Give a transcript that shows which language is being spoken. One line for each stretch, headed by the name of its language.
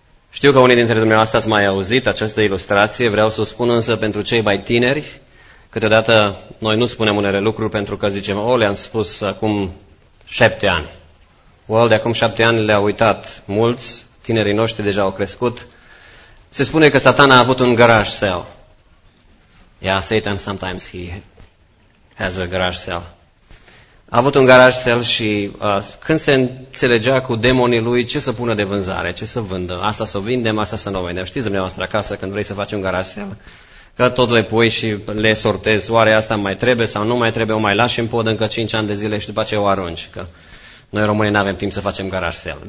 Romanian: Știu că unii dintre dumneavoastră ați mai auzit această ilustrație, vreau să o spun însă pentru cei mai tineri. Câteodată noi nu spunem unele lucruri pentru că zicem, le-am spus acum 7 ani. De acum 7 ani le-au uitat mulți, tinerii noștri deja au crescut. Se spune că Satan a avut un garage sale.
English: Yeah, Satan sometimes he has a garage sale.
Romanian: A avut un garage sale și când se înțelegea cu demonii lui, ce să pună de vânzare, ce să vândă, asta să o vindem, asta să n-o vindem. Știți dumneavoastră acasă când vrei să faci un garage sale, că tot le pui și le sortezi, oare asta mai trebuie sau nu mai trebuie, o mai lași în pod încă 5 ani de zile și după aceea o arunci, că noi românii n-avem timp să facem garage sale.